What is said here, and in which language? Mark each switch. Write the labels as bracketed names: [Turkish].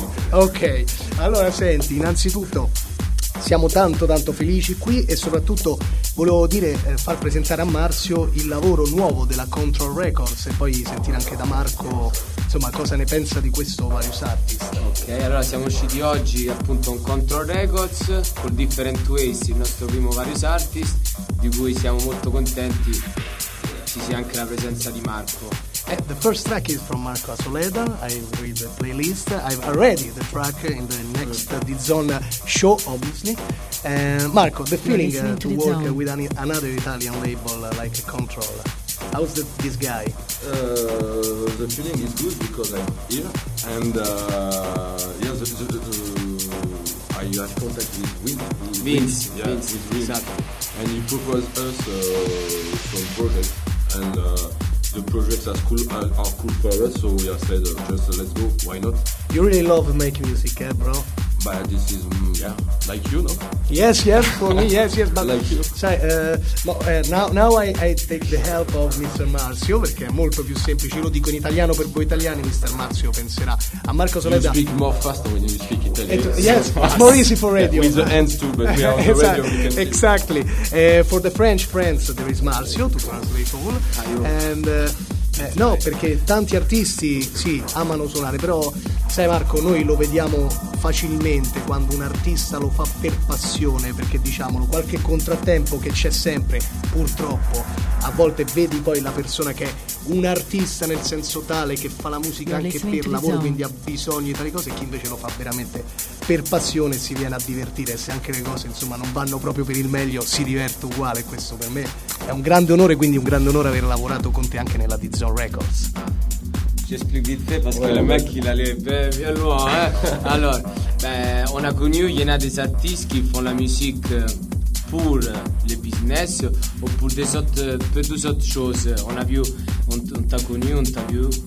[Italian] Ok, allora senti, innanzitutto siamo tanto tanto felici qui e soprattutto volevo dire, far presentare a Marzio il lavoro nuovo della Control Records e poi sentire anche da Marco, insomma, cosa ne pensa di questo Various Artist. Ok, allora siamo usciti oggi appunto con Control Records, con Different Ways, il nostro primo Various Artist, di cui siamo molto contenti ci sia anche la presenza di Marco. [English] The first track is from Marco Asoleda. I read the playlist. I've already the track in the next DZone show, obviously. Marco, the feeling to work with another Italian label like Control. How's this guy? The feeling is good because I'm here and I have contact with Vince. Exactly. And he proposed us some project and. The projects are cool for us, so we have said let's go, why not? You really love making music, eh, bro? But this is, like you, no? Yes, for me, yes, but... Like you. Now I take the help of Mr. [Italian] Marzio, perché è molto più semplice, lo dico in italiano per voi italiani, Mr. Marzio penserà a Marco Soledad. [English] You speak more faster when you speak Italian. Yes, it's more easy for radio. Yeah, with the hands too, but we are on the radio. Exactly. For the French friends, there is Marzio, to translate all. [Italian] No, perché tanti artisti, sì, amano suonare, però... Sai Marco, noi lo vediamo facilmente quando un artista lo fa per passione, perché diciamolo, qualche contrattempo che c'è sempre, purtroppo, a volte vedi poi la persona che è un artista nel senso tale che fa la musica anche per lavoro, quindi ha bisogno di tali cose, e chi invece lo fa veramente per passione si viene a divertire, se anche le cose insomma non vanno proprio per il meglio si diverte uguale. Questo per me è un grande onore, quindi un grande onore aver lavorato con te anche nella DZone Records. [French] J'explique vite fait parce que le mec il allait bien loin. Hein. Alors, on a connu, il y en a des artistes qui font la musique pour le business ou pour des autres, pour des autres choses. On a vu un t'a connu, un t'a vu.